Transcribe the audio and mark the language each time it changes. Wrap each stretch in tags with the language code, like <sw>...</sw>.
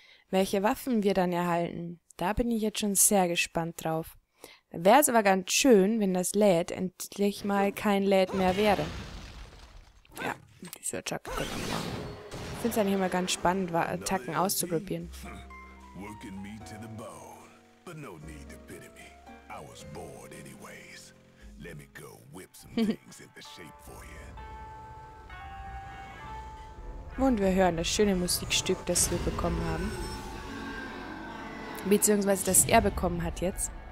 <de>Welche Waffen wir dann erhalten, da bin ich jetzt schon sehr gespannt drauf. Wäre es aber ganz schön, wenn das Lädt endlich mal kein Lädt mehr wäre. Ja, dieser Chuck kann auch machen. Ich finde es eigentlich immer ganz spannend, Attacken auszuprobieren.</de> <en>Working me to the bone, but no need to pity me. I was bored anyways. Let me go whip some things into shape for you.</en> <de>Und wir hören das schöne Musikstück, das wir bekommen haben. Beziehungsweise das er bekommen hat jetzt.</de>